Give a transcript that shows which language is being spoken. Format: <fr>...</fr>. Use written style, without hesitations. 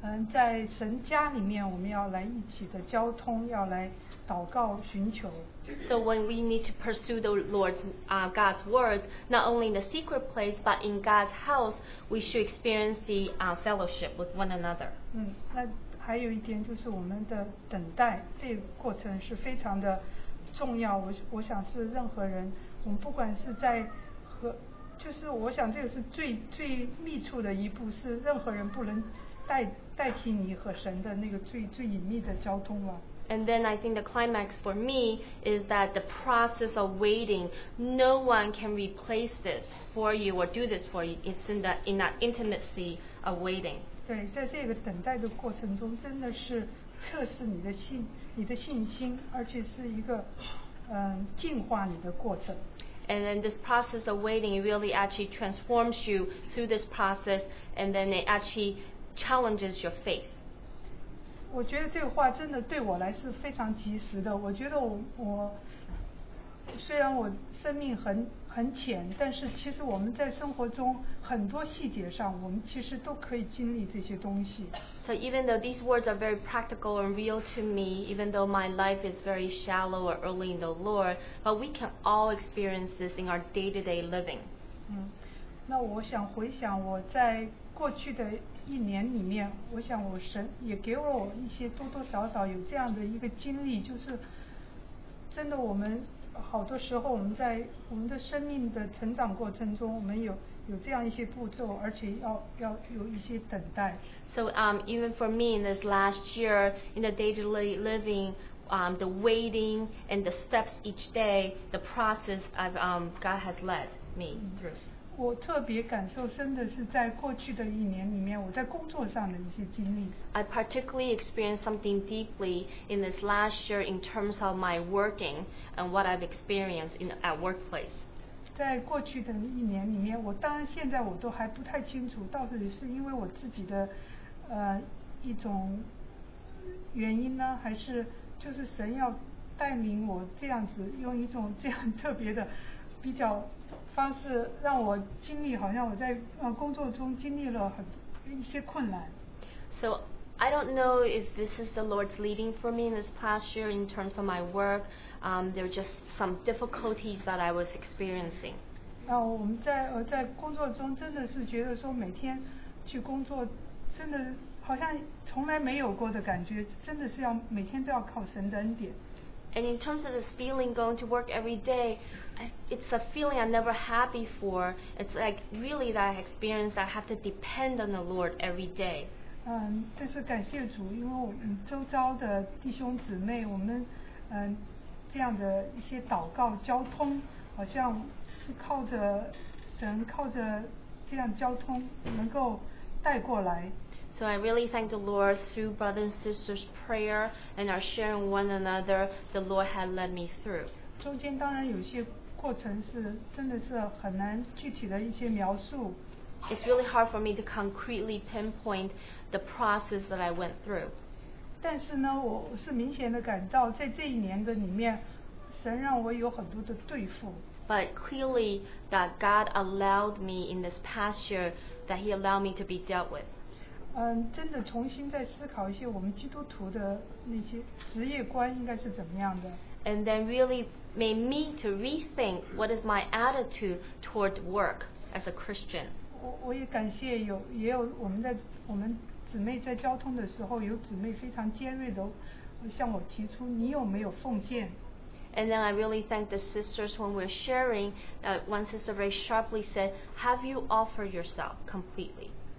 <zh>在神家里面我们要来一起的交通，要来祷告寻求。</zh> <en>So when we need to pursue the Lord's God's words, not only in the secret place but in God's house, we should experience the fellowship with one another.</en> <zh>那还有一点就是我们的等待，这个过程是非常的重要。我想是任何人，我们不管是在和，就是我想这个是最最密处的一步，是任何人不能代替你和神的那个最最隐秘的交通了。</zh> <en>And then I think the climax for me is that the process of waiting, no one can replace this for you or do this for you. It's in that intimacy of waiting.</en> <zh>对，在这个等待的过程中，真的是测试你的信心，而且是一个净化你的过程。</zh> <en>And then this process of waiting really actually transforms you through this process, and then it actually challenges your faith.</en> <zh>我觉得这个话真的对我来是非常及时的。我觉得我虽然我生命很浅，但是其实我们在生活中很多细节上，我们其实都可以经历这些东西。</zh> <en>So even though these words are very practical and real to me, even though my life is very shallow or early in the Lord, but we can all experience this in our day-to-day living.</en> <zh>那我想回想我在过去的一年里面，我想我神也给我一些多多少少有这样的一个经历，就是真的我们好多时候我们在我们的生命的成长过程中，我们有这样一些步骤，而且要有一些等待。</zh> <en>So even for me in this last year in the daily living, the waiting and the steps each day, the process of God has led me through.</en> <zh>我特别感受深的是在过去的一年里面，我在工作上的一些经历。</zh> <en>I particularly experienced something deeply in this last year in terms of my working and what I've experienced in at workplace.</en> <zh>在过去的一年里面，我当然现在我都还不太清楚，到底是因为我自己的，一种原因呢，还是就是神要带领我这样子，用一种这样特别的比较方式，让我经历，好像我在工作中经历了一些困难。</zh> <en>So I don't know if this is the Lord's leading for me in this past year in terms of my work. There are just some difficulties that I was experiencing.</en> <zh>那我们在工作中真的是觉得说每天去工作真的好像从来没有过的感觉，真的是要每天都要靠神的恩典。</zh> <en>And in terms of this feeling going to work every day, it's a feeling I never had before. It's like really that I experienced that I have to depend on the Lord every day.</en> <zh>但是感谢主，因为我们周遭的弟兄姊妹，我们这样的一些祷告交通，好像是靠着神，靠着这样交通能够带过来。</zh> <en>So I really thank the Lord through brothers and sisters' prayer and our sharing one another. The Lord had led me through.</en> <zh>中间当然有些过程是真的是很难具体的一些描述。</zh> <en>It's really hard for me to concretely pinpoint the process that I went through.</en> <zh>但是呢，我是明显的感到，在这一年的里面，神让我有很多的对付。</zh> <en>But clearly that God allowed me in this past year that He allowed me to be dealt with.</en> <zh>真的重新再思考一些我们基督徒的那些职业观应该是怎么样的。</zh> <en>And then really made me to rethink what is my attitude toward work as a Christian.</en> <zh>我也感谢也有我们。姊妹在交通的时候，有姊妹非常尖锐的向我提出，你有没有奉献</zh> <en>？And then I really thank the sisters when we're sharing. One sister very sharply said, "Have you offered yourself completely?"</en>